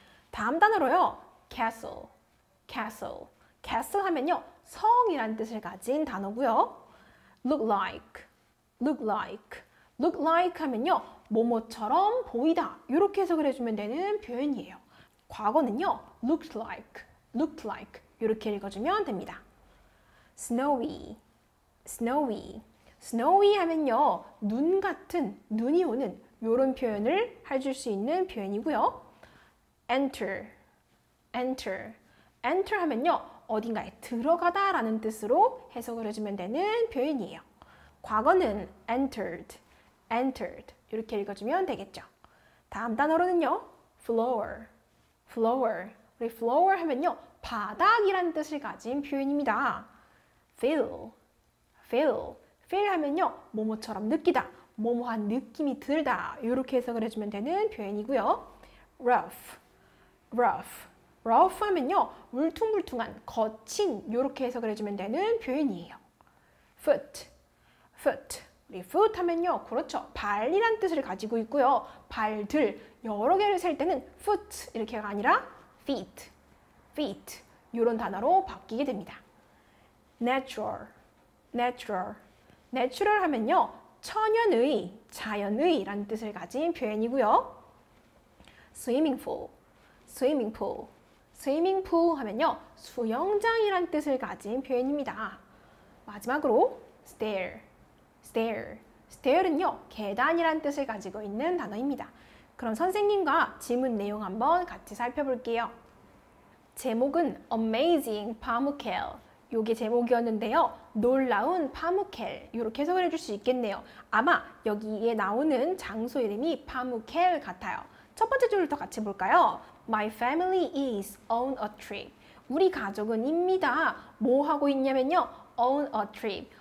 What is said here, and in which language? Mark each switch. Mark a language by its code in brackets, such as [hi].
[ko] 다음 단어로요, castle. [en] castle. [ko] castle 하면요, 성이라는 뜻을 가진 단어고요. [en] look like. look like. [ko] look like 하면요, 뭐뭐처럼 보이다. 이렇게 해석을 해주면 되는 표현이에요. [en] 과거는요, looked like. looked like. [ko] 이렇게 읽어주면 됩니다. [en] snowy. snowy. [ko] Snowy 하면요, 눈 같은, 눈이 오는, 요런 표현을 해줄 수 있는 표현이고요. [en] Enter, enter. [ko] Enter 하면요, 어딘가에 들어가다 라는 뜻으로 해석을 해주면 되는 표현이에요. [en] 과거는 entered, entered. [ko] 이렇게 읽어주면 되겠죠. 다음 단어로는요, floor, floor. 우리 floor 하면요, 바닥이라는 뜻을 가진 표현입니다. [en] fill, fill. [ko] feel 하면요, 뭐뭐처럼 느끼다, 뭐뭐한 느낌이 들다 이렇게 해석을 해주면 되는 표현이고요. rough, rough, rough 하면요, 울퉁불퉁한, 거친 이렇게 해석을 해주면 되는 표현이에요. foot, foot, 우리 foot 하면요, 그렇죠, 발이란 뜻을 가지고 있고요. 발들 여러 개를 셀 때는 foot 이렇게가 아니라 feet, feet 이런 단어로 바뀌게 됩니다. [en] natural, natural. [ko] natural 하면요, 천연의, 자연의 라는 뜻을 가진 표현이고요. [en] swimming pool, swimming pool. [ko] swimming pool 하면요, 수영장이란 뜻을 가진 표현입니다. [en] 마지막으로 stair, stair. [ko] stair은요, 계단이란 뜻을 가지고 있는 단어입니다. 그럼 선생님과 지문 내용 한번 같이 살펴볼게요. [en] 제목은 Amazing Palmkale. [ko] 요게 제목이었는데요. 놀라운 파무켈. 이렇게 해석을 해줄 수 있겠네요. 아마 여기에 나오는 장소 이름이 파무켈 같아요. 첫 번째 줄부터 같이 볼까요? [en] My family is on a trip. [ko] 우리 가족은 입니다. 뭐 하고 있냐면요. [en] on a trip.